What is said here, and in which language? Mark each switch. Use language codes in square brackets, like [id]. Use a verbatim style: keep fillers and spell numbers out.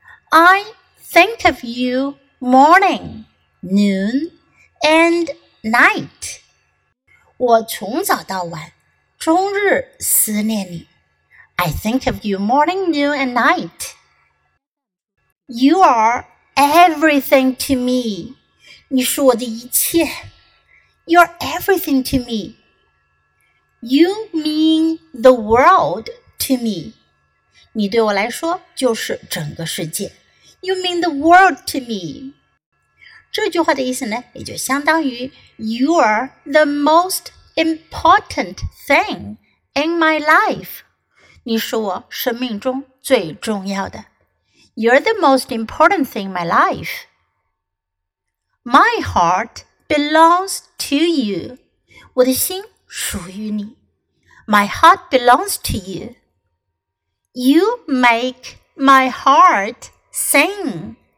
[en] I think of you morning, noon, and night。 [zh] 我从早到晚，终日思念你。 [en] I think of you morning, noon, and night。 You are everything to me。 [zh] 你是我的一切。 [en] You're everything to me。 You mean the world to me。 [zh] 你对我来说就是整个世界。 [en] You mean the world to me。 [zh] 这句话的意思呢，也就相当于 [en] You are the most important thing in my life。 [zh] 你是我生命中最重要的。 [en] You're the most important thing in my life。 My heart belongs to you。 [zh] 我的心属于你。 [en] My heart belongs to you。 You make my heart sing。